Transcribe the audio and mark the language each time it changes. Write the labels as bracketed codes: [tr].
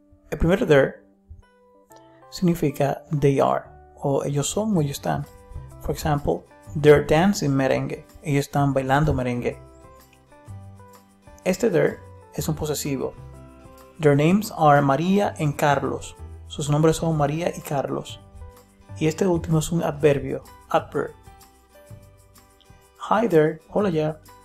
[es] El primer there significa they are, o ellos son o ellos están. [en] For example, they're dancing merengue. [es] Ellos están bailando merengue. Este there es un posesivo. [en] Their names are María y Carlos. [es] Sus nombres son María y Carlos. Y este último es un adverbio, adverb. [en] Hi there, [es] hola ya.